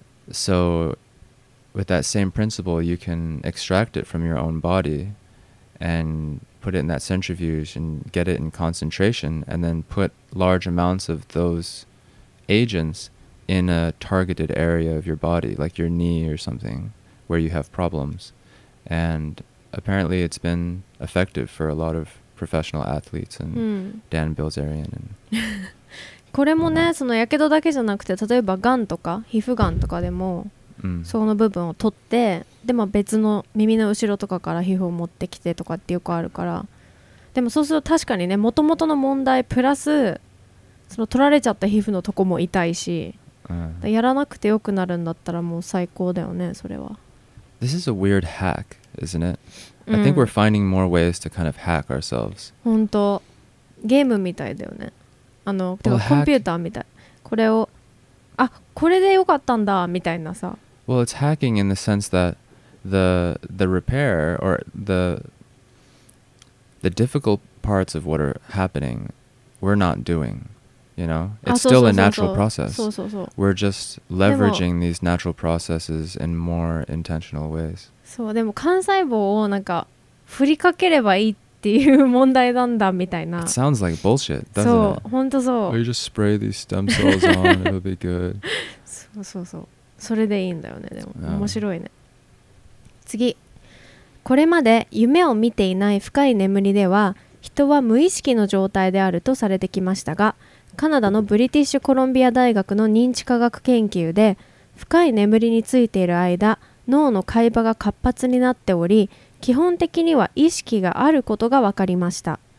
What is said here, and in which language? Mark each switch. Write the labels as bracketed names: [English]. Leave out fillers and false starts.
[English] So with that same principle, you can extract it from your own body and put it in that centrifuge and get it in concentration and then put large amounts of those agents in a targeted area of your body, like your knee or something, where you have problems. And apparently it's been effective for a lot of professional athletes and Dan Bilzerian. And [Japanese] これもね、そのやけどだけじゃなくて、例えばがんとか皮膚がんとかでも、その部分を取って、でも別の耳の後ろとかから皮膚を持ってきてとかってよくあるから、でもそうすると確かにね、元々の問題プラスその取られちゃった皮膚のとこも痛いし、やらなくてよくなるんだったらもう最高だよね、それは。 [English] This is a weird hack, isn't it? I think we're finding more ways to kind of hack ourselves. [Japanese] 本当ゲームみたいだよね、あの、てかコンピューターみたい、これを、あ、これでよかったんだみたいなさ。 [English] Well, it's hacking in the sense that the repair or the difficult parts of what are happening, we're not doing, you know? It's still a natural process. We're just leveraging these natural processes in more intentional ways. [Japanese] そう、でも幹細胞をなんか振りかければいいっていう問題なんだみたいな。 [English] It sounds like bullshit, doesn't it? [Japanese] そう、本当そう。 [English] Or you just spray these stem cells on, it'll be good. [Japanese] そうそうそう。それでいいんだよね、でも面白いね。次、これまで夢を見ていない深い眠りでは人は無意識の状態であるとされてきましたが、カナダのブリティッシュコロンビア大学の認知科学研究で、深い眠りについている間、脳の海馬が活発になっており、基本的には意識があることが分かりました。